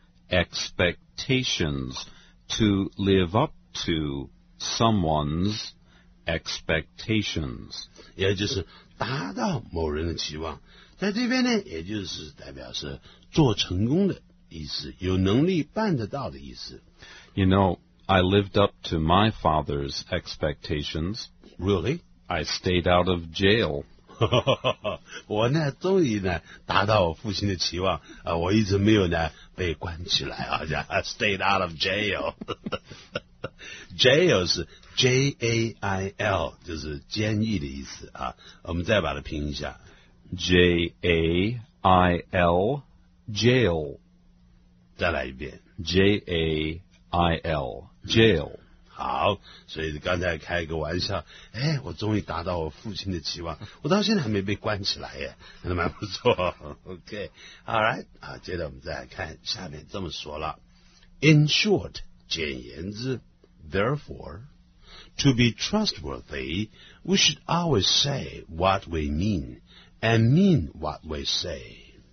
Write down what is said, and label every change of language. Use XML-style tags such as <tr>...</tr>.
<en>Expectations to live up to someone's expectations.</en> <zh>也就是达到某人的期望，在这边呢，也就是代表是做成功的意思，有能力办得到的意思。</zh> <en>You know, I lived up to my father's expectations. Really? I stayed out of jail.</en> <zh>我呢，终于呢，达到我父亲的期望啊！我一直没有呢被关起来啊，叫 stayed out of jail. Jail 是 J-A-I-L, 就是监狱的意思啊。我们再把它拼一下</zh> <en>J-A-I-L, jail.</en> <zh>再来一遍</zh> <en>J-A-I-L, jail.</en> <zh>好，所以刚才开一个玩笑，哎，我终于达到我父亲的期望，我到现在还没被关起来耶，真的蛮不错。 OK, alright, 啊，接着我们再来看下面这么说了。</zh> <en>In short, 简言之 therefore,To be trustworthy, we should always say what we mean, and mean what we say.</en>